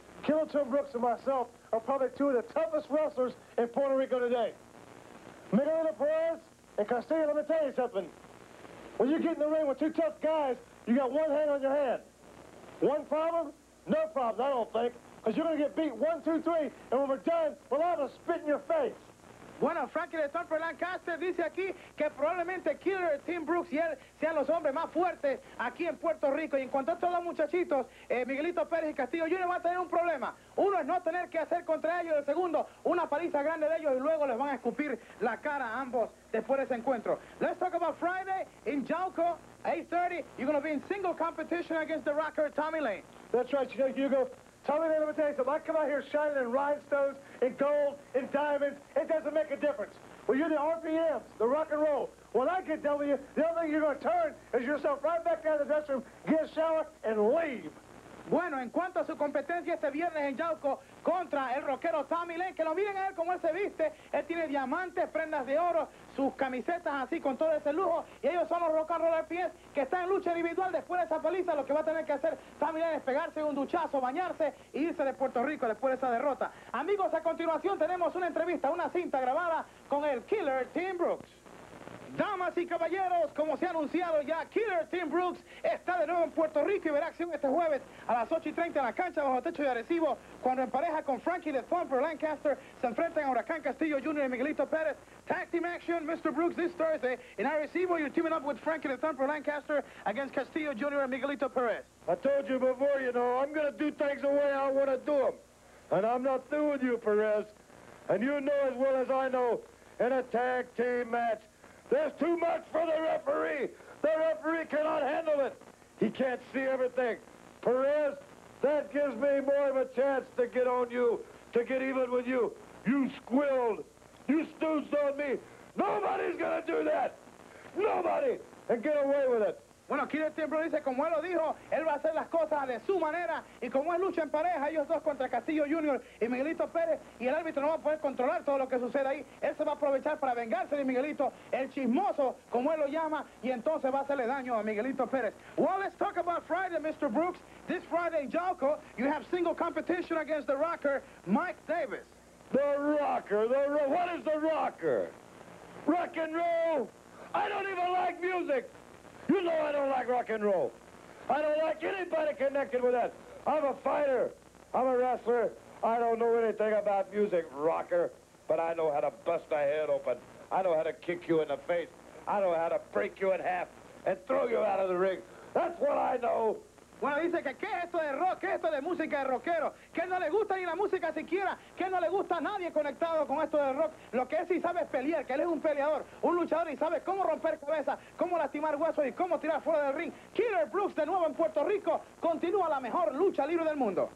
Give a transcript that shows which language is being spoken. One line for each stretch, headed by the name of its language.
English: Killer Tim Brooks and myself are probably two of the toughest wrestlers in Puerto Rico today. Miguelito Perez and Castillo, let me tell you something. When you get in the ring with two tough guys, you got one hand on your hand. One problem? No problems, I don't think. Because you're going to get beat 1, 2, 3, and when we're done, we'll have a spit in your face.
Spanish: Bueno, Frankie de Thumper Lancaster dice aquí que probablemente Killer Tim Brooks y él sean los hombres más fuertes aquí en Puerto Rico. Y en cuanto a todos los muchachitos, Miguelito Pérez y Castillo Jr. van a tener un problema. Uno es no tener que hacer contra ellos, el segundo, una paliza grande de ellos y luego les van a escupir la cara a ambos después de ese encuentro.
English: Let's talk about Friday in Jauco, 8:30. You're going to be in single competition against the Rocker, Tommy Lane. That's right, Hugo. Tommy Lane, let me tell you something. I come out here shining in rhinestones, in gold, in diamonds. It doesn't make a difference. Well, you're the RPMs, the rock and roll. When I get done with you, the only thing you're going to turn is yourself right back out of the dressing room, get a shower, and leave.
Spanish: Bueno, en cuanto a su competencia este viernes en Yauco contra el rockero Tommy Lane, que lo miren a él como él se viste. Él tiene diamantes, prendas de oro, sus camisetas así con todo ese lujo. Y ellos son los Rock and Roll RPS que están en lucha individual. Después de esa paliza, lo que va a tener que hacer Tommy Lane es pegarse un duchazo, bañarse e irse de Puerto Rico después de esa derrota. Amigos, a continuación tenemos una entrevista, una cinta grabada con el Killer Tim Brooks. Damas y caballeros, como se ha anunciado ya, Killer Tim Brooks está de nuevo en Puerto Rico y verá acción este jueves a las 8:30 en la cancha bajo techo de Arecibo, cuando en pareja con Frankie de Thumper Lancaster se enfrentan a Huracán Castillo Jr. y Miguelito Pérez.
English: Tag team action, Mr. Brooks, this Thursday in Arecibo, you're teaming up with Frankie de Thumper Lancaster against Castillo Jr. and Miguelito Pérez. I told you before, you know, I'm going to do things the way I want to do them. And I'm not through with you, Perez. And you know as well as I know, in a tag team match, there's too much for the referee. The referee cannot handle it. He can't see everything. Perez, that gives me more of a chance to get on you, to get even with you. You squealed. You snoozed on me. Nobody's going to do that. Nobody. And get away with it.
Spanish: Bueno, Killer Tim Brooks dice, como él lo dijo, él va a hacer las cosas de su manera. Y como es lucha en pareja, ellos dos contra Castillo Jr. y Miguelito Pérez, y el árbitro no va a poder controlar todo lo que sucede ahí, él se va a aprovechar para vengarse de Miguelito, el chismoso, como él lo llama, y entonces va a hacerle daño a Miguelito Pérez.
English: Well, let's talk about Friday, Mr. Brooks. This Friday in Yauco, you have single competition against the Rocker, Mike Davis. The Rocker, what is the Rocker? Rock and roll? I don't even like music. You know I don't like rock and roll. I don't like anybody connected with that. I'm a fighter. I'm a wrestler. I don't know anything about music, rocker. But I know how to bust a head open. I know how to kick you in the face. I know how to break you in half and throw you out of the ring. That's what I know.
Spanish: Bueno, dice que ¿qué es esto de rock? ¿Qué es esto de música de rockero? Que no le gusta ni la música siquiera. Que no le gusta a nadie conectado con esto de rock. Lo que él sí sabe es pelear, que él es un peleador, un luchador y sabe cómo romper cabezas, cómo lastimar huesos y cómo tirar fuera del ring. Killer Brooks de nuevo en Puerto Rico continúa la mejor lucha libre del mundo.